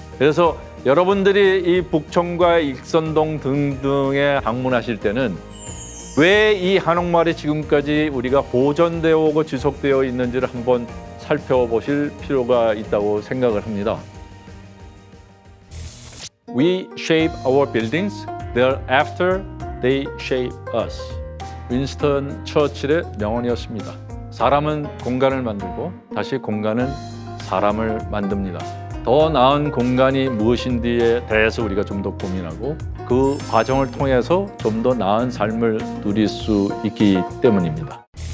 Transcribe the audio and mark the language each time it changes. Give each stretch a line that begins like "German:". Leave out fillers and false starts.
Korean: 그래서 여러분들이 이 북촌과 익선동 등등에 방문하실 때는 왜 이 한옥마을이 지금까지 우리가 보존되어 오고 지속되어 있는지를 한번 살펴보실 필요가 있다고 생각을 합니다.
English: We shape our buildings, thereafter they shape us.
Korean: 윈스턴 처칠의 명언이었습니다. 사람은 공간을 만들고 다시 공간은 사람을 만듭니다. 더 나은 공간이 무엇인지에 대해서 우리가 좀 더 고민하고 그 과정을 통해서 좀 더 나은 삶을 누릴 수 있기 때문입니다.